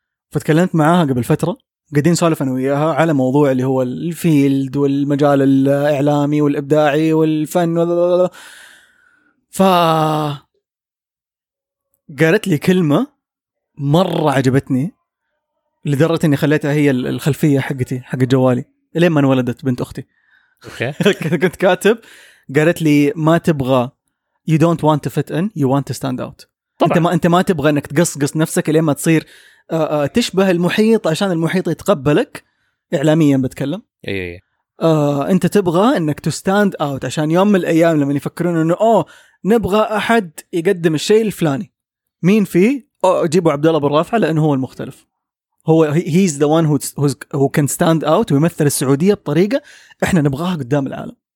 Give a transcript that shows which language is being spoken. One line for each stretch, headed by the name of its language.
Arabic: فتكلمت معاها قبل فترة, قاعدين سولف انا وياها على موضوع اللي هو الفيلد والمجال الاعلامي والابداعي والفن, ف قالت لي كلمة مرة عجبتني لدرجة اني خليتها هي الخلفية حقتي حق جوالي لين ما انولدت بنت اختي. كنت كاتب قالت لي ما تبغى
English: you don't want to fit in you want to stand out.
Arabic: طبعًا. انت ما تبغى انك تقصقص نفسك لين ما تصير تشبه المحيط عشان المحيط يتقبلك اعلاميا بتكلم. انت تبغى انك
English: to stand out
Arabic: عشان يوم من الايام لما يفكرون انه اوه نبغى احد يقدم الشيء الفلاني مين فيه جيبوا عبد الله بن رافعه لانه هو المختلف, هو
English: he's the one who can stand out
Arabic: ويمثل السعودية بطريقة إحنا نبغاها قدام العالم.